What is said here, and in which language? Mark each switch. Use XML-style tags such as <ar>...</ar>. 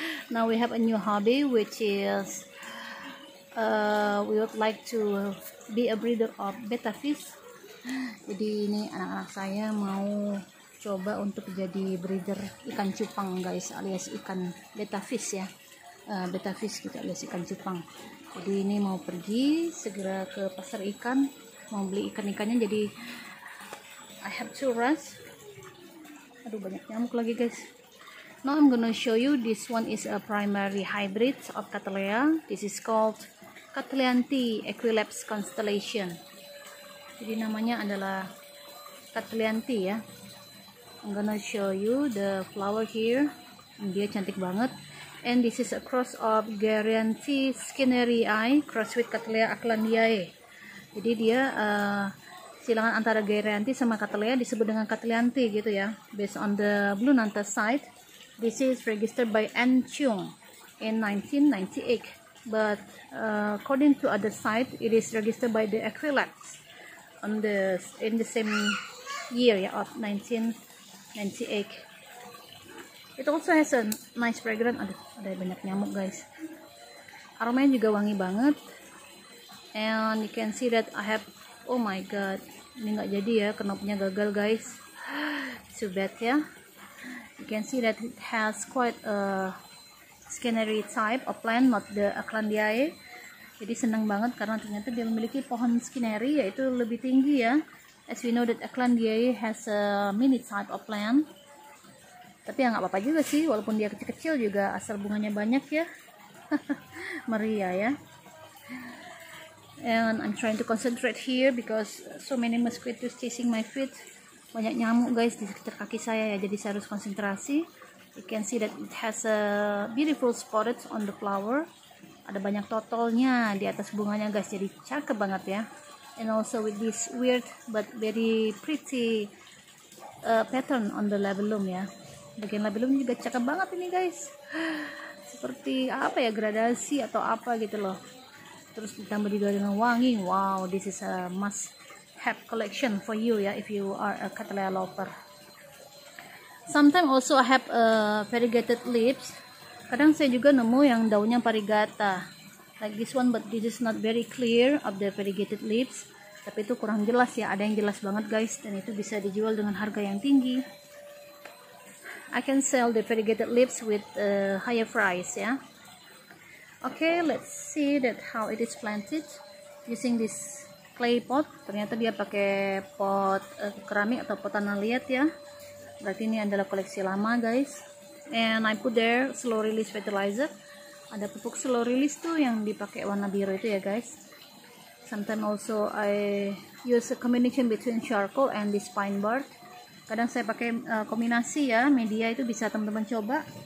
<en>Now we have a new hobby which is we would like to be a breeder of betta fish.</en> <id>Jadi ini anak-anak saya mau coba untuk jadi breeder ikan cupang guys, alias ikan betta fish ya. Betta fish kita alias ikan cupang. Jadi ini mau pergi segera ke pasar ikan, mau beli ikan-ikannya. Jadi</id> <en>I have to rush.</en> <id>Aduh, banyak nyamuk lagi guys.</id> <en>Now I'm gonna show you, this one is a primary hybrid of Cattleya. This is called Cattleyan T Equilapse Constellation.</en> <id>Jadi namanya adalah Cattleyan T ya.</id> <en>I'm gonna show you the flower here.</en> <id>Dia cantik banget.</id> <en>And this is a cross of Garian T Skinnery Eye cross with Cattleya Aklandiae.</en> <id>Jadi dia silangan antara Garian T sama Cattleya, disebut dengan Cattleyan T gitu ya.</id> <en>Based on the Blue Nanta site, this is registered by N. Chung in 1998. But according to other site, it is registered by the Equilapse on the in the same year ya, of 1998. It also has a nice fragrance.</en> <id>Aduh, ada banyak nyamuk guys. Aromanya juga wangi banget.</id> <en>And you can see that I have, oh my god,</en> <id>ini nggak jadi ya, knopnya gagal</id> <en>guys. Too bad ya. You can see that it has quite a Skinnery type of plant, not the Aklandiae.</en> <id>Jadi senang banget karena ternyata dia memiliki pohon Skinnery, yaitu lebih tinggi ya.</id> <en>As we know that Aklandiae has a mini type of plant.</en> <id>Tapi ya nggak apa-apa juga sih, walaupun dia kecil-kecil juga asal bunganya banyak ya. Meriah ya.</id> <en>And I'm trying to concentrate here because so many mosquitoes chasing my feet.</en> <id>Banyak nyamuk guys di sekitar kaki saya ya, jadi saya harus konsentrasi.</id> <en>You can see that it has a beautiful spotted on the flower.</en> <id>Ada banyak totolnya di atas bunganya guys, jadi cakep banget ya.</id> <en>And also with this weird but very pretty pattern on the labellum ya.</en> <id>Bagian labellum juga cakep banget ini guys. Seperti apa ya, gradasi atau apa gitu loh. Terus ditambah juga dengan wangi.</id> <en>Wow, this is a must have collection for you ya, if you are a Cattleya lover. Sometimes also I have variegated leaves.</en> <id>Kadang saya juga nemu yang daunnya variegata.</id> <en>Like this one, but this is not very clear of the variegated leaves.</en> <id>Tapi itu kurang jelas ya. Ada yang jelas banget guys, dan itu bisa dijual dengan harga yang tinggi.</id> <en>I can sell the variegated leaves with higher price ya. Okay, let's see that how it is planted using this clay pot.</en> <id>Ternyata dia pakai pot keramik atau pot tanah liat ya. Berarti ini adalah koleksi lama guys.</id> <en>And I put there slow release fertilizer.</en> <id>Ada pupuk slow release tuh yang dipakai warna biru itu ya guys.</id> <en>Sometimes also I use a combination between charcoal and this pine bark.</en> <id>Kadang saya pakai kombinasi ya, media itu bisa teman-teman coba.</id>